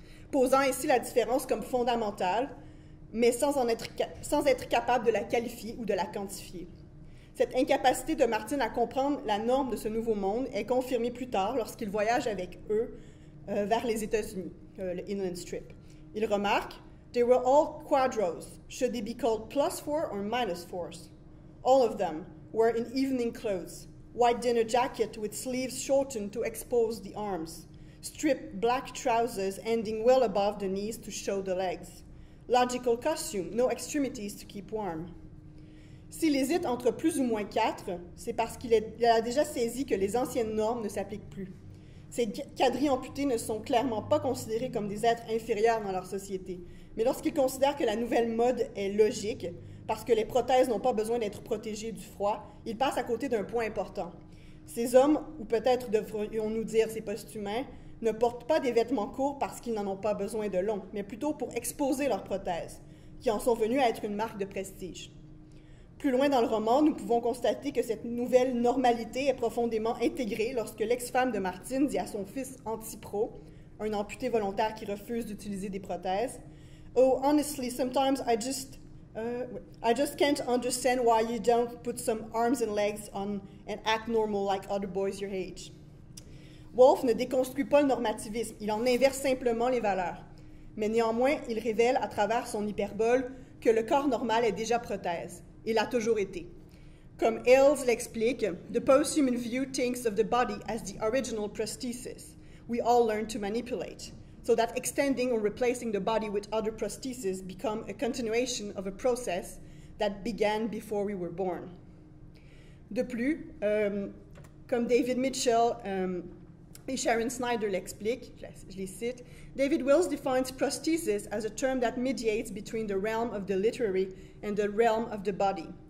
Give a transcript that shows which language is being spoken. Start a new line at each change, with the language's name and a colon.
French: Posant ainsi la différence comme fondamentale, mais sans être capable de la qualifier ou de la quantifier. Cette incapacité de Martin à comprendre la norme de ce nouveau monde est confirmée plus tard lorsqu'il voyage avec eux vers les États-Unis, le Inland Strip. Il remarque,
English: « They were all quadros. Should they be called plus four or minus four? All of them were in evening clothes, white dinner jacket with sleeves shortened to expose the arms, striped black trousers ending well above the knees to show the legs. Logical costume, no extremities to keep warm.
French: » S'il hésite entre plus ou moins quatre, c'est parce qu'il a déjà saisi que les anciennes normes ne s'appliquent plus. Ces quadris amputés ne sont clairement pas considérés comme des êtres inférieurs dans leur société. Mais lorsqu'il considère que la nouvelle mode est logique, parce que les prothèses n'ont pas besoin d'être protégées du froid, il passe à côté d'un point important. Ces hommes, ou peut-être devrions-nous dire ces post-humains, ne portent pas des vêtements courts parce qu'ils n'en ont pas besoin de longs, mais plutôt pour exposer leurs prothèses, qui en sont venues à être une marque de prestige. Plus loin dans le roman, nous pouvons constater que cette nouvelle normalité est profondément intégrée lorsque l'ex-femme de Martin dit à son fils anti-pro, un amputé volontaire qui refuse d'utiliser des prothèses, «
English: Oh, honestly, sometimes I just I just can't understand why you don't put some arms and legs on and act normal like other boys your age.
French: Wolf ne déconstruit pas le normativisme, il en inverse simplement les valeurs. Mais néanmoins, il révèle à travers son hyperbole que le corps normal est déjà prothèse. Il l'a toujours été. Comme Hales l'explique,
English: « The post-human view thinks of the body as the original prosthesis we all learn to manipulate, so that extending or replacing the body with other prostheses become a continuation of a process that began before we were born. »
French: De plus, comme David Mitchell et Sharon Snyder l'expliquent, je les cite,
English: « David Wills defines prosthesis as a term that mediates between the realm of the literary and the realm of the body.